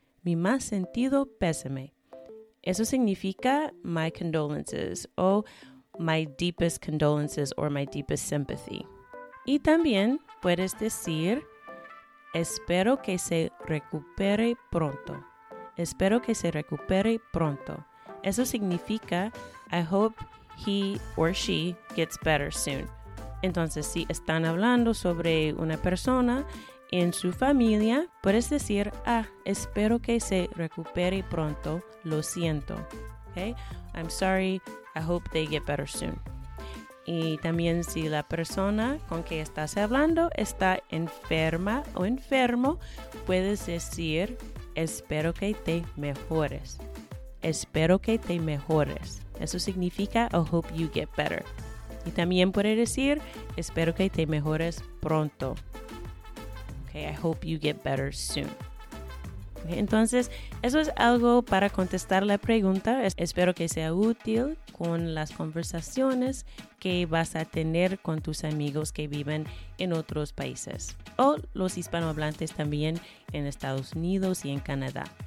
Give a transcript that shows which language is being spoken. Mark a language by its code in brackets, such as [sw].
[es] Mi más sentido pésame. Eso significa [en] my condolences o my deepest condolences or my deepest sympathy. [es] Y también puedes decir, espero que se recupere pronto. Espero que se recupere pronto. Eso significa, [en] I hope he or she gets better soon. [es] Entonces, si están hablando sobre una persona en su familia, puedes decir, espero que se recupere pronto. Lo siento. [en] Okay? I'm sorry. I hope they get better soon. [es] Y también si la persona con que estás hablando está enferma o enfermo, puedes decir, espero que te mejores. Espero que te mejores. Eso significa, [en] I hope you get better. [es] Y también puede decir, espero que te mejores pronto. [en] Okay, I hope you get better soon. [es] Okay, entonces, eso es algo para contestar la pregunta. Espero que sea útil con las conversaciones que vas a tener con tus amigos que viven en otros países. O los hispanohablantes también en Estados Unidos y en Canadá.